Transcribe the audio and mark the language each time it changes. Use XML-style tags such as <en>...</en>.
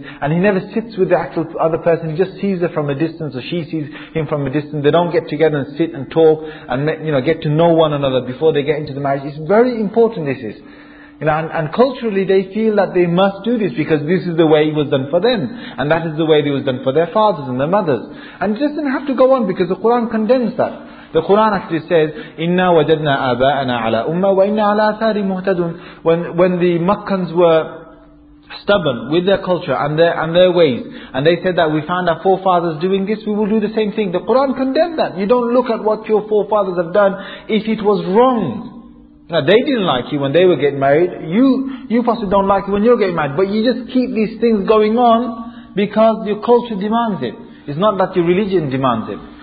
<en>And he never sits with the actual other person. He just sees her from a distance, or she sees him from a distance. They don't get together and sit and talk and, you know, get to know one another before they get into the marriage. It's very important, this is. You know, and culturally they feel that they must do this because this is the way it was done for them. And that is the way it was done for their fathers and their mothers. And it doesn't have to go on because the Quran condemns that.</en> <ar>The Quran actually says, إِنَّا وَجَدْنَا أَبَاءَنَا عَلَىٰ أُمَّةٍ وَإِنَّا عَلَىٰ أَثَارِ مُهْتَدُونَ.</ar> <en>When the Makkans were stubborn with their culture and their ways, and they said that we found our forefathers doing this, we will do the same thing. The Quran condemned that. You don't look at what your forefathers have done if it was wrong. Now, they didn't like you when they were getting married. You possibly don't like you when you're getting married. But you just keep these things going on because your culture demands it. It's not that your religion demands it.</en>